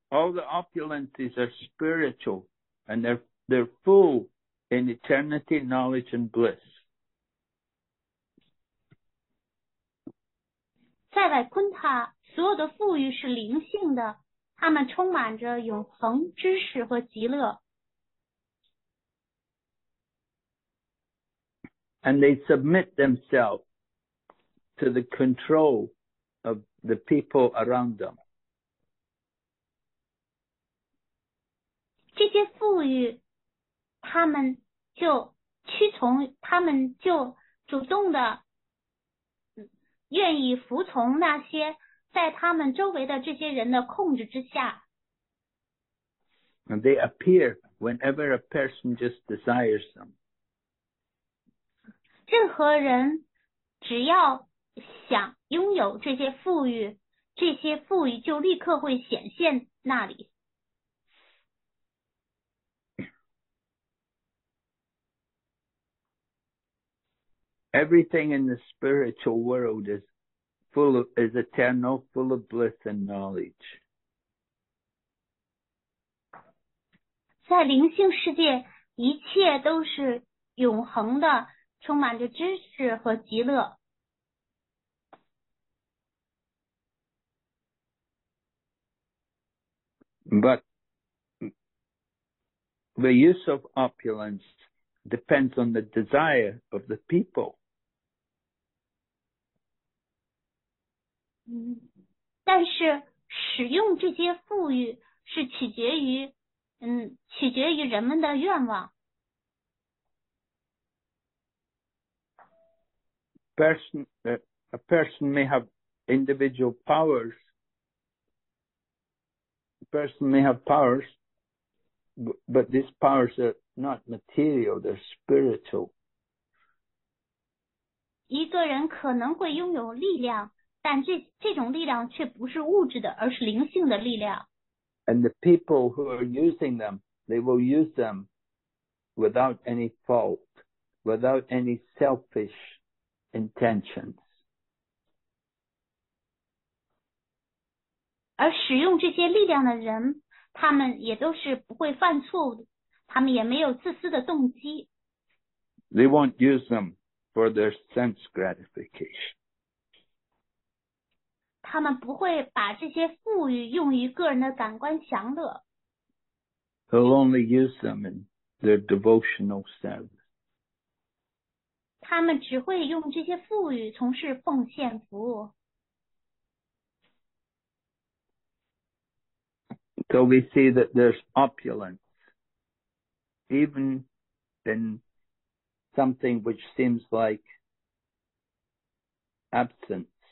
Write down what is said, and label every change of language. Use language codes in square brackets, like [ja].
[en] All the opulences are spiritual, and they're full in eternity, knowledge, and bliss. [zh] 塞外昆塔，所有的富裕是灵性的，它们充满着永恒知识和极乐。 [en] And they submit themselves to the control of the people around them. [zh] 这些富裕，他们就屈从，他们就主动的愿意服从那些在他们周围的这些人的控制之下。 [en] And they appear whenever a person just desires them. [zh] 任何人只要想拥有这些富裕，这些富裕就立刻会显现那里。 [en] Everything in the spiritual world is full of, is eternal, full of bliss and knowledge. [zh] 在灵性世界，一切都是永恒的，充满着知识和极乐。 [en] But the use of opulence depends on the desire of the people. [zh] 但是使用这些富裕是取决于，取决于人们的愿望。 [en] A person may have individual powers. A person may have powers, but these powers are not material, they're spiritual. [zh] 一个人可能会拥有力量，但 这种力量却不是物质的，而是灵性的力量。 [en] And the people who are using them, they will use them without any fault, without any selfish intentions. [zh] 而使用这些力量的人，他们也都是不会犯错误的，他们也没有自私的动机。 [en] They won't use them for their sense gratification. [zh] 他们不会把这些富裕用于个人的感官享乐。 [en] They'll only use them in their devotional service. [zh] 他们只会用这些富裕从事奉献服务。 [en] So we see that there's opulence, even in something which seems like absence.